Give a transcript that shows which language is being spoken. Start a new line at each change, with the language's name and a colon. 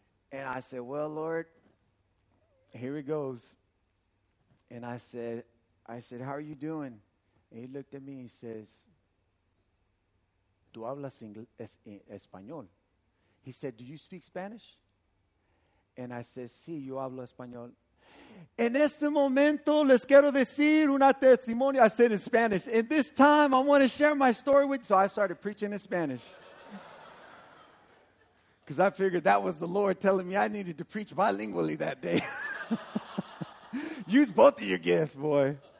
English: And I said, well, Lord, here it goes. And I said, how are you doing? And he looked at me, and he says,
Spanish: ¿Tú hablas español?
English: He said, do you speak Spanish? And I said,
Spanish: sí, yo hablo español. En este momento, les quiero decir una testimonio.
English: I said in Spanish. And this time, I want to share my story with you. So I started preaching in Spanish. Because I figured that was the Lord telling me I needed to preach bilingually that day. Use both of your gifts, boy.